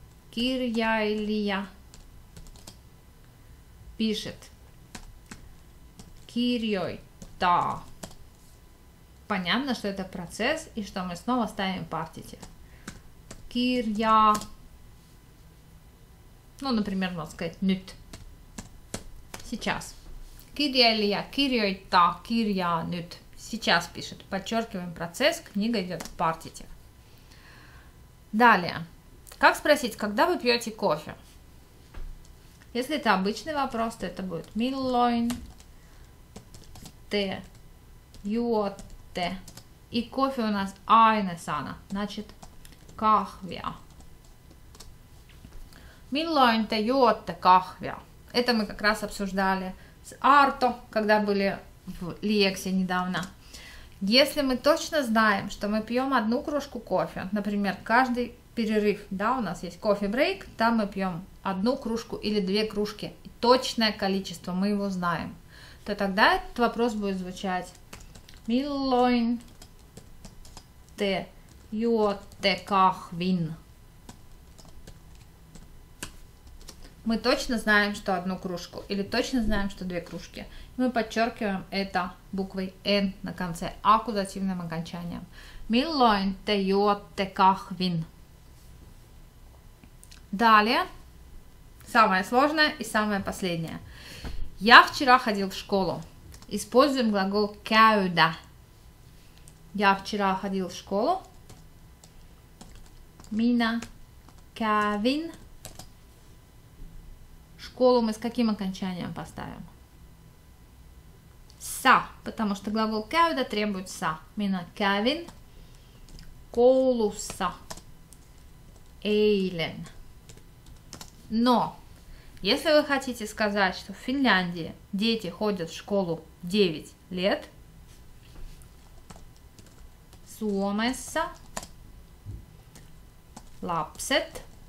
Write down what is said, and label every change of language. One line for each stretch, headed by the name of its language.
Russian: Kirjailija пишет.
Finnish: Kirjoittaa.
Russian: Понятно, что это процесс и что мы снова ставим партитив.
Finnish: Kirja.
Russian: Ну, например, можно сказать nyt. Сейчас.
Finnish: Kirjailija kirjoittaa kirjaa nyt.
Russian: Сейчас пишет. Подчеркиваем процесс, книга идет в партитив. Далее. Как спросить, когда вы пьете кофе? Если это обычный вопрос, то это будет
Finnish: milloin te juotte.
Russian: И кофе у нас
Finnish: aina sana,
Russian: значит kahvia.
Finnish: Milloin te juotte kahvia?
Russian: Это мы как раз обсуждали с Арто, когда были в Лиексе недавно. Если мы точно знаем, что мы пьем 1 кружку кофе, например, каждый перерыв, да, у нас есть кофе-брейк, там мы пьем 1 кружку или 2 кружки, и точное количество, мы его знаем, то тогда этот вопрос будет звучать
Finnish: Milloin te juotte kahvin?
Russian: Мы точно знаем, что 1 кружку, или точно знаем, что 2 кружки. Мы подчеркиваем это буквой N на конце, аккузативным окончанием.
Finnish: Milloin te juotte kahvin?
Russian: Далее, самое сложное и самое последнее. Я вчера ходил в школу. Используем глагол käydä. Я вчера ходил в школу.
Finnish: Minä kävin.
Russian: Школу мы с каким окончанием поставим? Са, потому что глагол käydä требует са.
Finnish: Minä kävin koulussa eilen.
Russian: Но, если вы хотите сказать, что в Финляндии дети ходят в школу 9 лет,
Finnish: Suomessa lapset